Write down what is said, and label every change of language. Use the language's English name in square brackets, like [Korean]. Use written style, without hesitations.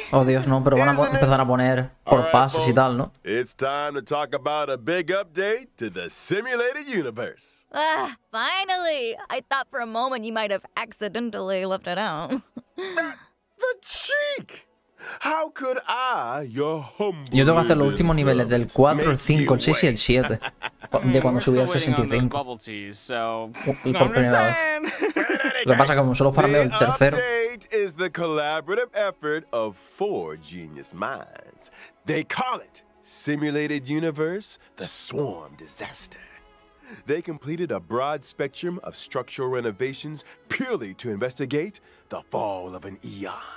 [Spanish] Oh, Dios, no, pero van a empezar a poner por pases y tal, ¿no? [English] It's time to talk about a big update to the simulated universe. Ah, finally. I thought for a moment you might have accidentally left it out. The cheek. How could I, your humble [Spanish] Yo tengo que hacer los últimos niveles del 4, el 5, el 6 y el 7. De cuando subí al 65. Y por primera vez. Lo que pasa es que como solo farmeo el tercero. [English] Is the collaborative effort of four genius minds. They call it Simulated Universe, the Swarm Disaster. They completed a broad spectrum of structural renovations purely to investigate the fall of an eon.